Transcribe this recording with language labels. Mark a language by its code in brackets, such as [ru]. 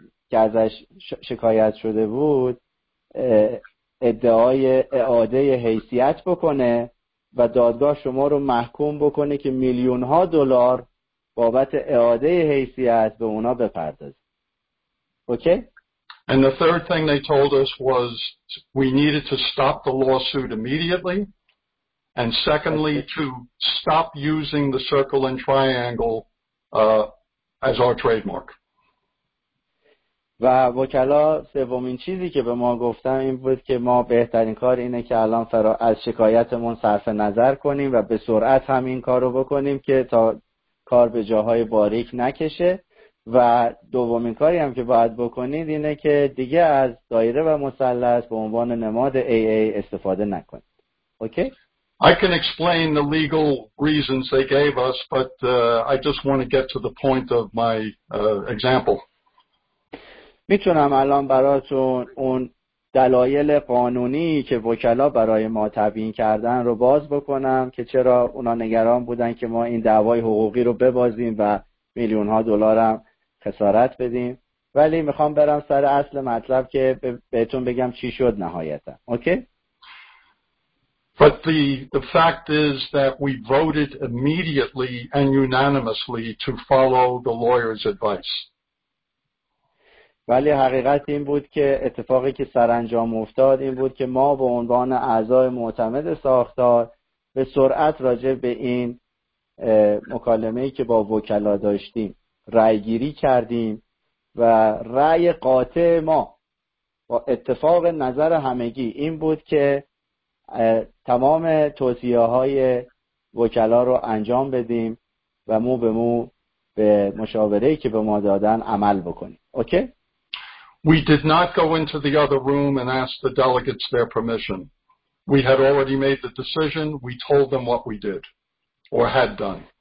[fa] که ازش شکایت شده بود، ادعای اعاده حیثیت بکنه و دادگاه شما رو محکوم بکنه که میلیون ها دلار بابت اعاده حیثیت به اونا بپردازید. [en] Okay? And the third thing they told us was we needed to stop the lawsuit immediately and secondly to stop using the circle and triangle as our trademark. [fa] و وکلا سومین چیزی که به ما گفتن این بود که ما بهترین کار اینه که الان از شکایتمون صرف نظر کنیم و به سرعت همین کارو بکنیم که تا کار به جاهای باریک نکشه و دومین کاری هم که باید بکنید اینه که دیگه از دایره و مثلث به عنوان نماد AA استفاده نکنید. [en] Okay? I can explain the legal reasons they gave us but I just want to get to the point of my example. [fa] میتونم الان براتون اون دلایل قانونی که وکلا برای ما تبیین کردن رو باز بکنم که چرا اونا نگران بودن که ما این دعوای حقوقی رو ببازیم و میلیون ها دلار هم خسارت بدیم، ولی میخوام برم سر اصل مطلب که بهتون بگم چی شد نهایتا. [en] Okay? But the fact is that we voted immediately and unanimously to follow the lawyer's advice. [fa] ولی حقیقت این بود که اتفاقی که سرانجام افتاد این بود که ما به عنوان اعضای معتمد ساختار به سرعت راجع به این مکالمه‌ای که با وکلا داشتیم رأی گیری کردیم و رأی قاطع ما با اتفاق نظر همگی این بود که تمام توصیه‌های وکلا رو انجام بدیم و مو به مو به مشاوره‌ای که به ما دادن عمل بکنیم. [en] Okay? We did not go into the other room and ask the delegates their permission. We had already made the decision. We told them what we did or had done.